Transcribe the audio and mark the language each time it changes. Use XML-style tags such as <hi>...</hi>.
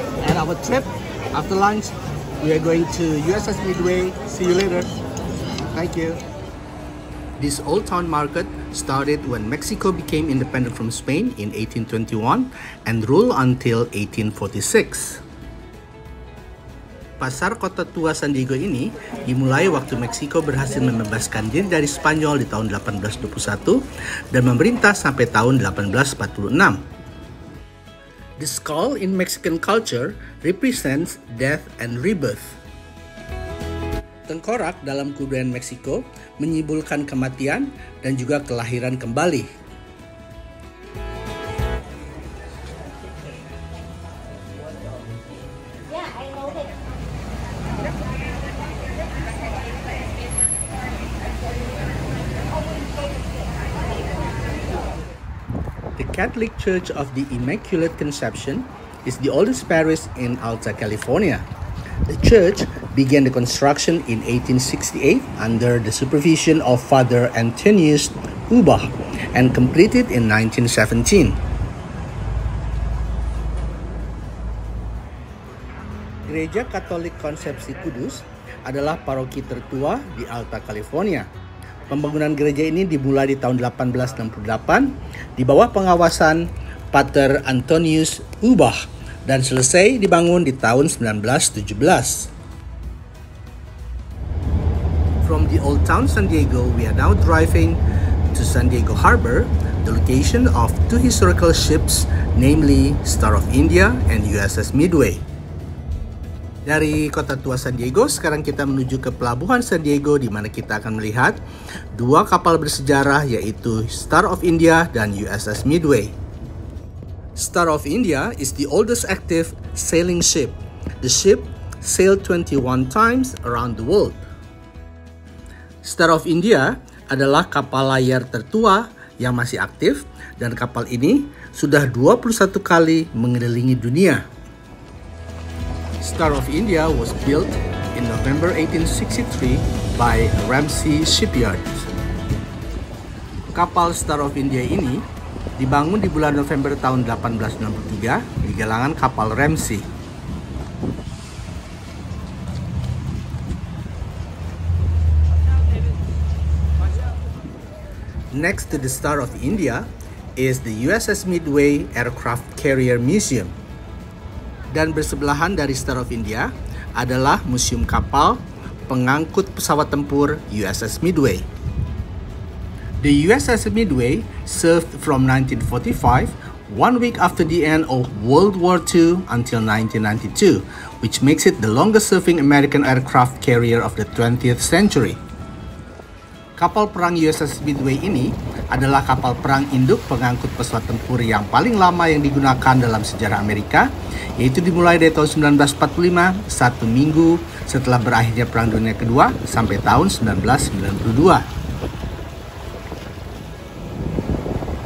<en>And our trip, after lunch, we are going to USS Midway. See you later. Thank you. This Old Town Market started when Mexico became independent from Spain in 1821 and ruled until 1846.</en> <id>Pasar Kota Tua San Diego ini dimulai waktu Meksiko berhasil membebaskan diri dari Spanyol di tahun 1821 dan memerintah sampai tahun 1846.</id> <en>The skull in Mexican culture represents death and rebirth.</en> <id>Tengkorak dalam kebudayaan Meksiko menyimbolkan kematian dan juga kelahiran kembali.</id> <en>The Catholic Church of the Immaculate Conception is the oldest parish in Alta California. The church began the construction in 1868 under the supervision of Father Antonius Uba and completed in 1917.</en> <id>Gereja Katolik Konsepsi Kudus adalah paroki tertua di Alta California. Pembangunan gereja ini dimulai di tahun 1868 di bawah pengawasan Pater Antonius Ubah dan selesai dibangun di tahun 1917.</id> <en>From the Old Town San Diego, we are now driving to San Diego Harbor, the location of two historical ships, namely Star of India and USS Midway.</en> <id>Dari Kota Tua San Diego, sekarang kita menuju ke Pelabuhan San Diego di mana kita akan melihat dua kapal bersejarah yaitu Star of India dan USS Midway.</id> <en>Star of India is the oldest active sailing ship. The ship sailed 21 times around the world.</en> <id>Star of India adalah kapal layar tertua yang masih aktif dan kapal ini sudah 21 kali mengelilingi dunia.</id> <en>Star of India was built in November 1863 by Ramsey Shipyard.</en> <id>Kapal Star of India ini dibangun di bulan November tahun 1863 di galangan kapal Ramsey.</id> <en>Next to the Star of India is the USS Midway Aircraft Carrier Museum.</en> <id>Dan bersebelahan dari Star of India adalah Museum Kapal Pengangkut Pesawat Tempur USS Midway.</id> <en>The USS Midway served from 1945, one week after the end of World War II until 1992, which makes it the longest serving American aircraft carrier of the 20th century.</en> <id>Kapal perang USS Midway ini adalah kapal perang induk pengangkut pesawat tempur yang paling lama yang digunakan dalam sejarah Amerika, yaitu dimulai dari tahun 1945, satu minggu setelah berakhirnya Perang Dunia Kedua, sampai tahun 1992.</id>